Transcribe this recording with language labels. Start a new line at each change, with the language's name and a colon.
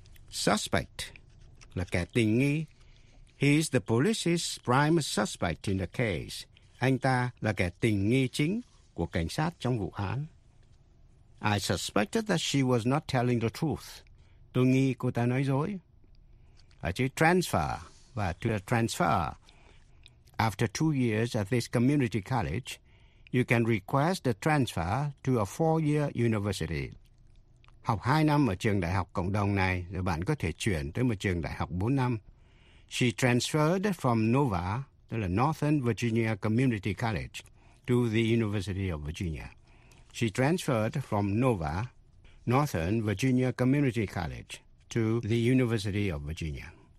Vietnamese: Suspect là kẻ tình nghi.
English: He is the police's prime suspect in the case.
Vietnamese: Anh ta là kẻ tình nghi chính của cảnh sát trong vụ án.
English: I suspected that she was not telling the truth.
Vietnamese: Tôi nghi cô ta nói dối. Ở chữ transfer và to transfer.
English: After 2 years at this community college, you can request a transfer to a 4-year university.
Vietnamese: Học 2 năm ở trường đại học cộng đồng này, rồi bạn có thể chuyển tới một trường đại học 4 năm.
English: She transferred from NOVA,
Vietnamese: tức là
English: Northern Virginia Community College, to the University of Virginia. She transferred from NOVA, Northern Virginia Community College, to the University of Virginia.